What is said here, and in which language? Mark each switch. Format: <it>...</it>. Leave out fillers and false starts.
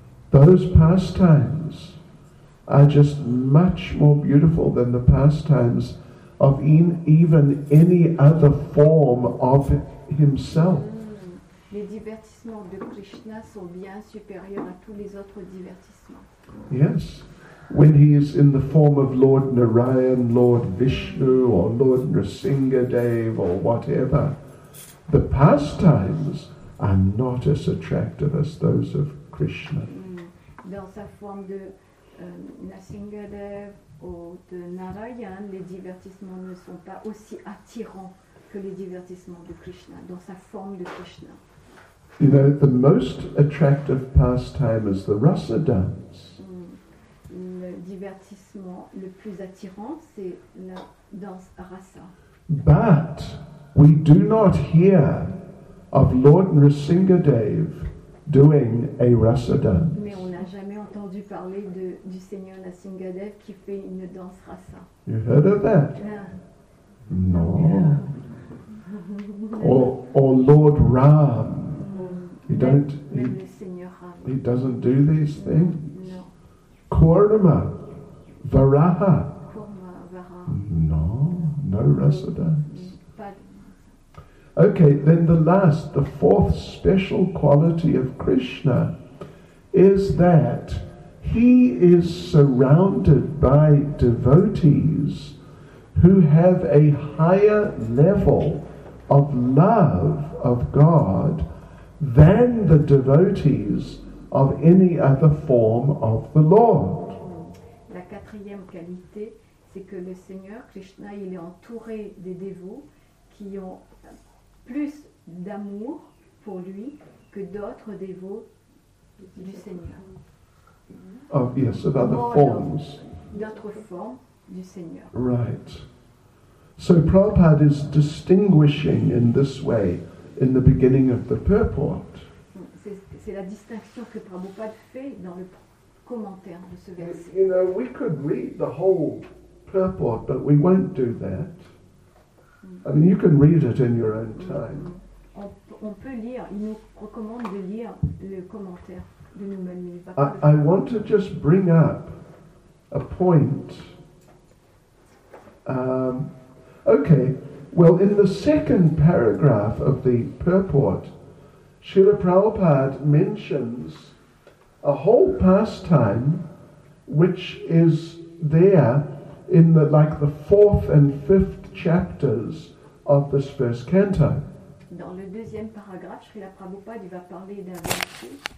<en>Those pastimes are just much more beautiful than the pastimes of even any other form of himself.</en> <fr>Les divertissements de Krishna sont bien supérieurs à tous les autres divertissements.</fr> <en>Yes. When he is in the form of Lord Narayan, Lord Vishnu, or Lord Narsingadev, or whatever, the pastimes are not as attractive as those of Krishna.</en> <fr>Dans sa forme de Narsingadev ou de Narayan, les divertissements ne sont pas aussi attirants que les divertissements de Krishna, dans sa forme de Krishna.</fr> <en>You know, the most attractive pastime is the rasa dance.</en> <fr>Le divertissement le plus attirant, c'est la danse rasa.</fr> <en>But we do not hear of Lord Narsingadev doing a rasa dance.</en> <fr>Mais on n'a jamais entendu parler du Seigneur Narsingadev qui fait une danse rasa.</fr> <en>You heard of that? Yeah. No. Yeah. Or Lord Ram. He doesn't do these things. No. Kaurama. Varaha. No rasa dance. Okay, then the fourth special quality of Krishna is that he is surrounded by devotees who have a higher level of love of God than the devotees of any other form of the Lord.</en> <fr>La quatrième qualité, c'est que le Seigneur Krishna, il est entouré des dévots qui ont plus d'amour pour lui que d'autres dévots du Seigneur.</fr> <en>Oh, yes, of other forms.</en> <fr>D'autres formes du Seigneur.</fr> <en>Right. So Prabhupada is distinguishing in this way in the beginning of the purport.</en> <fr>C'est la distinction que Prabhupada fait dans le commentaire de ce verset.</fr> <en>You know, we could read the whole purport, but we won't do that. I mean, you can read it in your own time.</en> <fr>On peut lire, il nous recommande de lire le commentaire de nous-mêmes.</fr> <en>I want to just bring up a point. Okay, well, in the second paragraph of the purport, Srila Prabhupada mentions a whole pastime which is there in the fourth and fifth chapters of this first canto.</en> <fr>Dans le deuxième paragraphe, Srila Prabhupada va parler d'un verset.</fr>